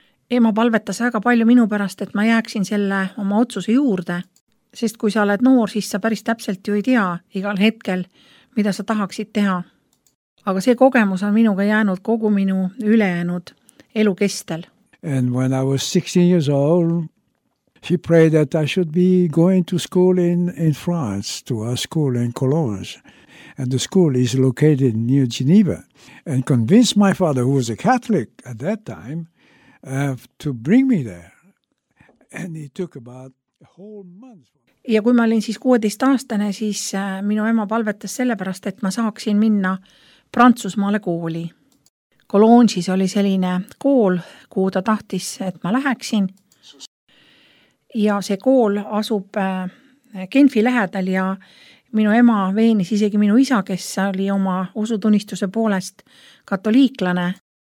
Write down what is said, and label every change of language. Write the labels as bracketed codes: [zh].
[et] Ema palvetas väga palju minu pärast, et ma jääksin selle oma otsuse juurde, sest kui sa oled noor, siis sa päris täpselt ju ei tea igal hetkel, mida sa tahaksid teha. Aga see kogemus on minuga jäänud kogu minu ülejäänud elukestel. [en] And when I was 16 years old, she prayed that I should be going to school in France, to a school in Cologne. And the school is located near Geneva. And convinced my father, who was a Catholic at that time, to bring me there. And it took about a whole month. [et] Ja kui ma olin siis 16-aastane, siis minu ema palvetas sellepärast, et ma saaksin minna Prantsusmaale kooli. Cologne siis oli selline kool, kuhu ta tahtis, et ma läheksin. Ja see kool asub Genfi lähedal ja minu ema veenis isegi minu isa, kes oli oma usutunnistuse poolest katoliiklane.